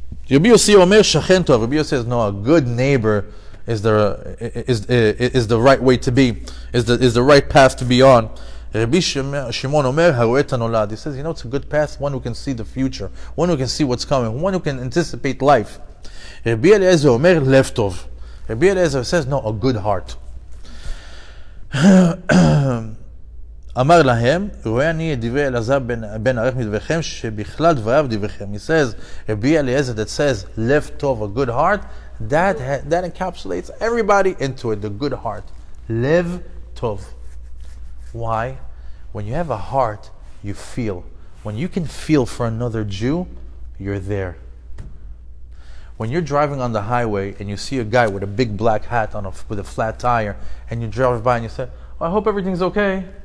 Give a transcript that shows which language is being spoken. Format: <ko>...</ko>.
<en>Rabbi Yossi</en> <he>Omer, Shachen Tov.</he> <en>Rabbi Yossi says, no, a good neighbor is the right way to be, is the right path to be on. Rabbi Shimon</en> <he>Omer, Haroe et HaNolad.</he> <en>He says, you know, it's a good path, one who can see the future, one who can see what's coming, one who can anticipate life. Rabbi Eliezer</en> <he>Omer, Lev Tov.</he> <en>Rabbi Eliezer says, no, a good heart.</en> <he>אמר להם, רואה אני את דברי אלעזר בן ערך מדבריכם, שבכלל דבריו דבריכם.</he> <en>He says, רבי אליעזר, that says,</en> <he>לב טוב,</he> <en>a good heart, that encapsulates everybody into it, the good heart.</en> <he>לב טוב.</he> <en>Why? When you have a heart, you feel. When you can feel for another Jew, you're there. When you're driving on the highway, and you see a guy with a big black hat on with a flat tire, and you drive by and you say, well, I hope everything's okay.</en>